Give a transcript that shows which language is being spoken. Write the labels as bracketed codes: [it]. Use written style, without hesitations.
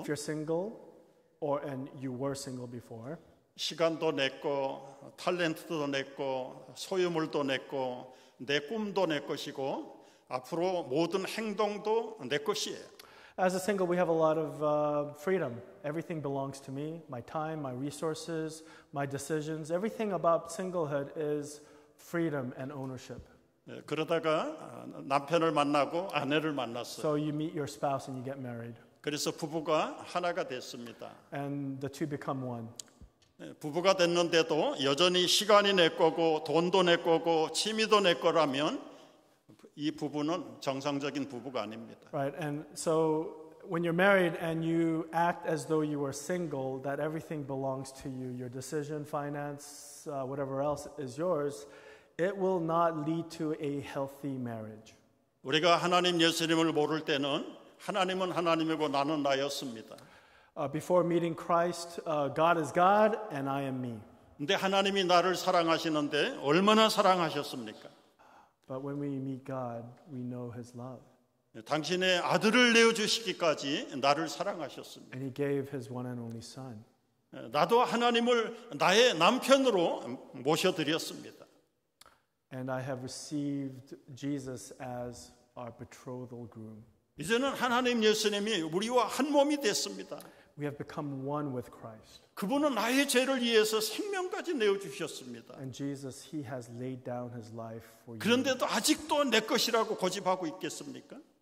[en] If you're single, or and you were single before. [ko] 시간도 냈고 탤런트도 냈고 소유물도 냈고 내 꿈도 내 것이고 앞으로 모든 행동도 내 것이에요. [en] As a single, we have a lot of freedom. Everything belongs to me, my time, my resources, my decisions. Everything about singlehood is freedom and ownership. [ko] 그러다가 남편을 만나고 아내를 만났어요. [en] So you meet your spouse and you get married. [ko] 그래서 부부가 하나가 됐습니다. [en] And the two become one. [ko] 부부가 됐는데도 여전히 시간이 내 거고 돈도 내 거고 취미도 내 거라면 이 부부는 정상적인 부부가 아닙니다. [en] Right, and so when you're married and you act as though you were single, that everything belongs to you, your decision, finance, whatever else is yours, it will not lead to a healthy marriage. [ko] 우리가 하나님 예수님을 모를 때는 하나님은 하나님이고 나는 나였습니다. [en] Before meeting Christ, God is God and I am me. [ko] 근데 하나님이 나를 사랑하시는데 얼마나 사랑하셨습니까? [en] But when we meet God, we know His love. [ko] 당신의 아들을 내어주시기까지 나를 사랑하셨습니다. [en] And He gave His one and only Son. [ko] 나도 하나님을 나의 남편으로 모셔드렸습니다. [en] And I have received Jesus as our betrothal groom. [ko] 이제는 하나님 예수님이 우리와 한 몸이 됐습니다. [en] We have become one with Christ. [ko] 그분은 나의 죄를 위해서 생명까지 내어 주셨습니다. [en] And Jesus, He has laid down His life for you. [ko] 그런데도 아직도 내 것이라고 고집하고 있겠습니까?